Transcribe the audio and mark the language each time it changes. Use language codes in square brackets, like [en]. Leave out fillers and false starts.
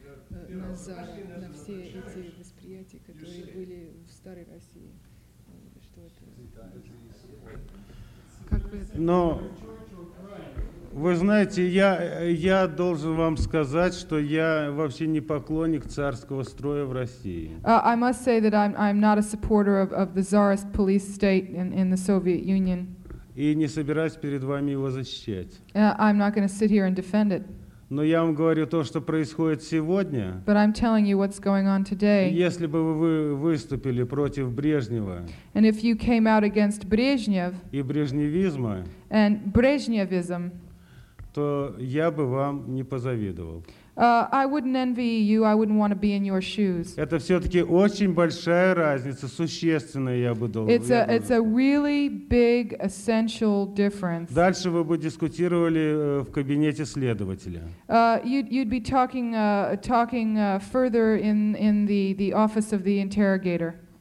[ru] На все эти восприятия, которые были в старой России. Что это? Как вы это? Но вы знаете, я должен вам сказать, что я вообще не поклонник царского строя в России. [en] I must say that I'm not a supporter of the czarist police state in the Soviet Union. [ru] И не собираюсь перед вами его защищать. [en] I'm not going to sit here and defend it. [ru] Но я вам говорю то, что происходит сегодня. [en] But I'm telling you what's going on today. [ru] Если бы вы выступили против Брежнева. [en] And if you came out against Brezhnev. [ru] И брежневизма. [en] And Brezhnevism. [ru] То я бы вам не позавидовал. [en] I wouldn't envy you. I wouldn't want to be in your shoes. [ru] Это все-таки очень большая разница, существенная, я бы должен. [en] It's a really big essential difference. [ru] Дальше вы бы дискутировали в кабинете следователя. [en] You'd be talking further in the office of the interrogator.